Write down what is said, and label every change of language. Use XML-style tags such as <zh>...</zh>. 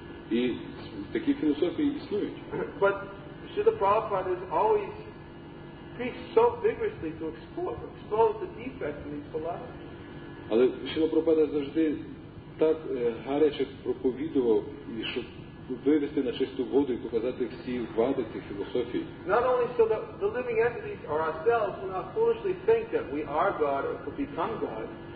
<uk>І такі філософії існують.</uk> <en>But Srila Prabhupada has always preached so vigorously to expose the defects in these philosophies.</en> <uk>Але Шіла Прабхупада завжди так гаряче проповідував, і щоб вивести на чисту воду і показати всі вади цих філософій.</uk> <en>Not only so that the living entities or ourselves do not foolishly think that we are God or could become God.</en>